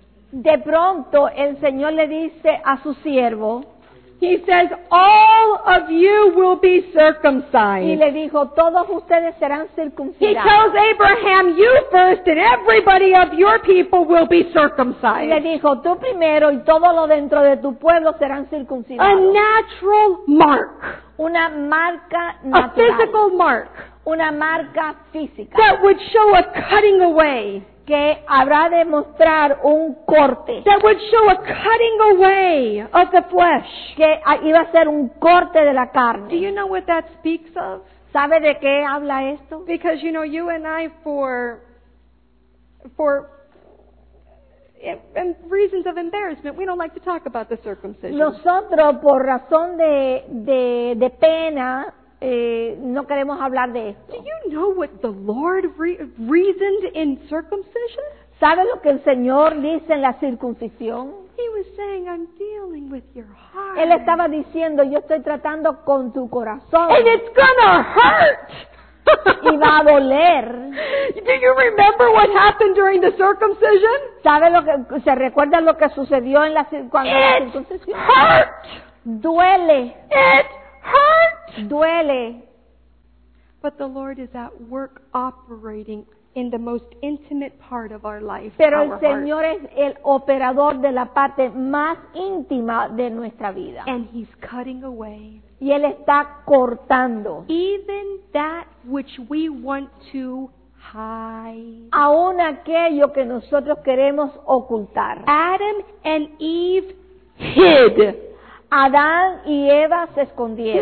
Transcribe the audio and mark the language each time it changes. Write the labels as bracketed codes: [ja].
[es] De pronto el Señor le dice a su siervo. [en] He says, all of you will be circumcised. [es] Y le dijo, todos ustedes serán circuncidados. [en] He tells Abraham, you first, and everybody of your people will be circumcised. [es] Y le dijo, tú primero, y todo lo dentro de tu pueblo serán circuncidados. [en] A natural mark. [es] Una marca natural. [en] A physical mark. [es] Una marca física. [en] That would show a cutting away. [es] Que habrá de mostrar un corte. [en] That would show a cutting away of the flesh. [es] Que iba a ser un corte de la carne. [en] Do you know what that speaks of? [es] ¿Sabe de qué habla esto? [en] Because you know, you and I for and reasons of embarrassment, we don't like to talk about the circumcision. [es] Nosotros por razón de pena. No queremos hablar de esto. [en] Do you know what the Lord reasoned in circumcision? [es] ¿Sabe lo que el Señor dice en la circuncisión? [en] He was saying, I'm dealing with your heart. [es] Él estaba diciendo, yo estoy tratando con tu corazón. [en] And it's gonna hurt. [es] Y va a doler. [en] Do you remember what happened during the circumcision? [es] ¿Sabe lo que se recuerda lo que sucedió en la cuando [en] it [es] la circuncisión? [en] Hurt. [es] Duele. [en] It hurt. [es] Duele. [en] But the Lord is at work operating in the most intimate part of our life. [es] Pero el Señor es el operador de la parte más íntima de nuestra vida. [en] And he's cutting away. [es] Y él está cortando. [en] Even that which we want to hide. [es] Aún aquello que nosotros queremos ocultar. [en] Adam and Eve hid. [es] Adán y Eva se escondieron.